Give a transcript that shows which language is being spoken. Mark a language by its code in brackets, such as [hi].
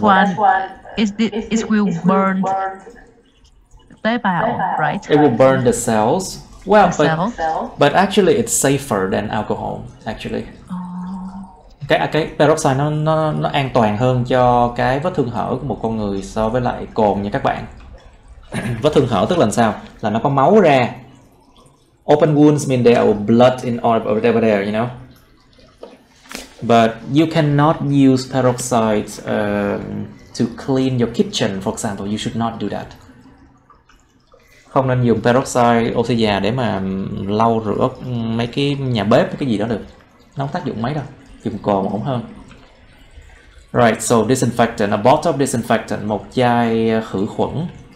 [en] that's one. It will burn the cell, right? It will burn the cells. Well, the cell. But actually, it's safer than alcohol. Actually. [vi] Cái peroxide nó an toàn hơn cho cái vết thương hở của một con người so với lại cồn nha các bạn. Vết thương hở tức là sao? Là nó có máu ra. [en] Open wounds mean there are blood in or whatever there, you know. But you cannot use peroxide to clean your kitchen, for example. You should not do that. [vi] Không nên dùng peroxide oxy già để mà lau rửa mấy cái nhà bếp cái gì đó được. Nó không tác dụng mấy đâu. Dùng cồn ổn hơn. [en] Right, so disinfectant, a bottle of disinfectant, [vi] một chai khử khuẩn.